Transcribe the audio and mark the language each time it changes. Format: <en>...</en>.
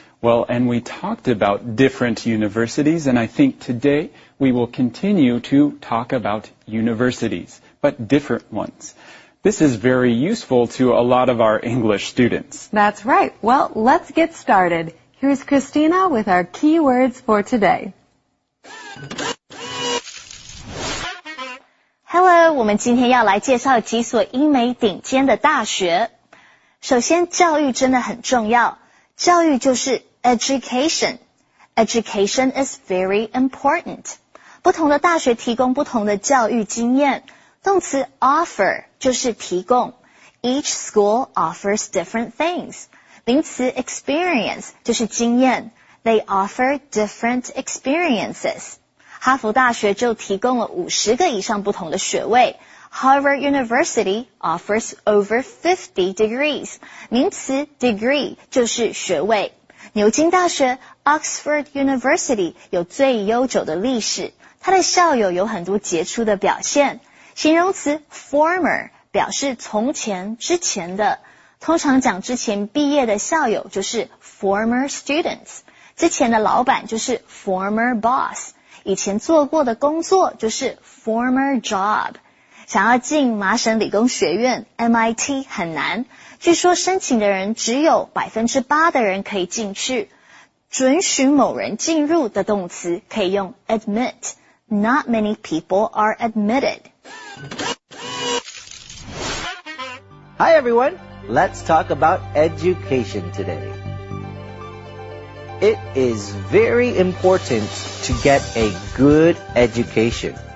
<en>Well, and we talked about different universities, and I think today we will continue to talk about universities, but different ones. This is very useful to a lot of our English students. That's right. Well, let's get started. Here's Christina with our keywords for today.</en> <zh>Hello, 我们今天要来介绍几所英美顶尖的大学。首先，教育真的很重要。教育就是 education.</zh> <en>Education is very important.</en> <zh>不同的大学提供不同的教育经验。动词 offer 就是提供。</zh> <en>Each school offers different things.</en> <zh>名词 experience 就是经验。</zh> <en>They offer different experiences.</en> <zh>哈佛大学就提供了50个以上不同的学位。</zh> <en>Harvard University offers over 50 degrees.</en> <zh>名词 degree 就是学位。牛津大学 Oxford University 有最悠久的历史。它的校友有很多杰出的表现。形容词 former 表示从前之前的，通常讲之前毕业的校友就是</zh> <en>former students，</en> <zh>之前的老板就是</zh> <en>former boss，</en> <zh>以前做过的工作就是</zh> <en>former job。</en> <zh>想要进麻省理工学院 MIT 很难，据说申请的人只有 8% 的人可以进去。准许某人进入的动词可以用 admit，</zh> <en>not many people are admitted。 Hi everyone, let's talk about education today. It is very important to get a good education.</en>